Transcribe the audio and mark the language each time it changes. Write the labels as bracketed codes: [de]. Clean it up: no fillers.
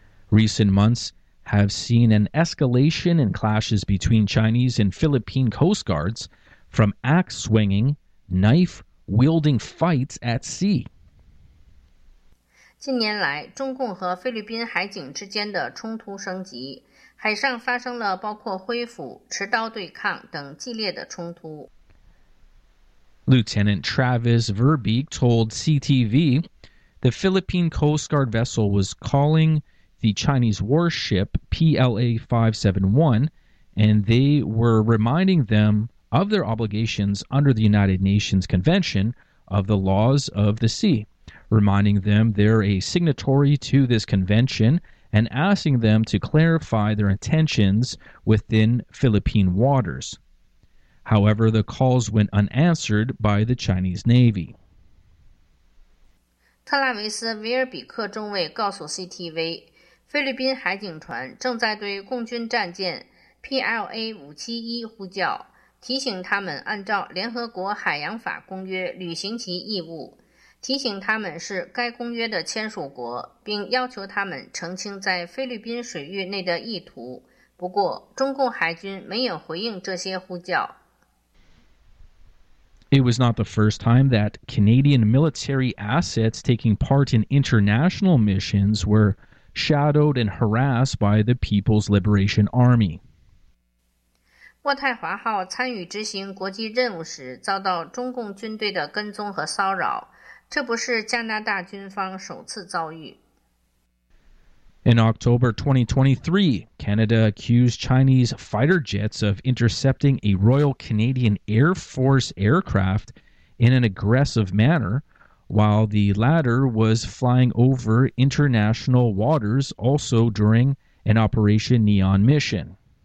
[en] Recent months have seen an escalation in clashes between Chinese and Philippine coast guards, from axe-swinging, knife-wielding fights at sea. [zh] 近年来，中共和菲律宾海警之间的冲突升级。海上发生了包括挥斧、持刀对抗等激烈的冲突。 [en] Lieutenant Travis Verbeek told CTV, the Philippine Coast Guard vessel was calling the Chinese warship PLA-571, and they were reminding them of their obligations under the United Nations Convention of the Laws of the Sea, reminding them they're a signatory to this convention,and asking them to clarify their intentions within Philippine waters. However, the calls went unanswered by the Chinese Navy. [zh] 特拉维斯·威尔比克中尉告诉 CTV, 菲律宾海警船正在对共军战舰 PLA-571 呼叫，提醒他们按照联合国海洋法公约履行其义务。提醒他们是该公约的签署国，并要求他们澄清在菲律宾水域内的意图。不过，中共海军没有回应这些呼叫。 [en] It was not the first time that Canadian military assets taking part in international missions were shadowed and harassed by the People's Liberation Army. [zh] 渥太华号参与执行国际任务时，遭到中共军队的跟踪和骚扰。这不是加拿大军方首次遭遇。 [en] In October 2023, Canada accused Chinese fighter jets of intercepting a Royal Canadian Air Force aircraft in an aggressive manner while the latter was flying over international waters also during an Operation Neon mission.